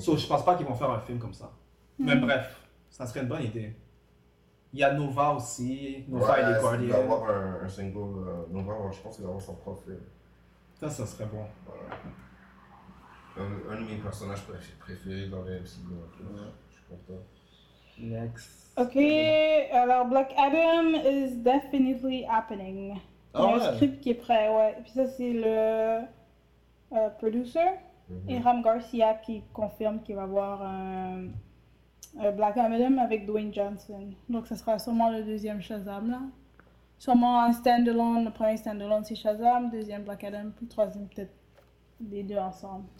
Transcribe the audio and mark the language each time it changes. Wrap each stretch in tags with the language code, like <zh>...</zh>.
<fr>So, je pense pas qu'ils vont faire un film comme ça. Mm-hmm. Mais bref, ça serait une bonne idée. Il y a Nova aussi, et les Guardians. Il va avoir un single, Nova, je pense qu'il va avoir son propre film. Ça serait bon. Ouais. Un de mes personnages préférés dans le MCU, je suis content.</fr> <en>Next. Ok, alors Black Adam is definitely happening.</en> <fr>Il y a un script qui est prêt, ouais. Puis ça, c'est le producer, Hiram Garcia, qui confirme qu'il va avoir un Black Adam avec Dwayne Johnson. Donc, ça sera sûrement le deuxième Shazam, là. Sûrement un standalone, le premier standalone, c'est Shazam, deuxième Black Adam, puis troisième, peut-être. Les deux ensemble.</fr>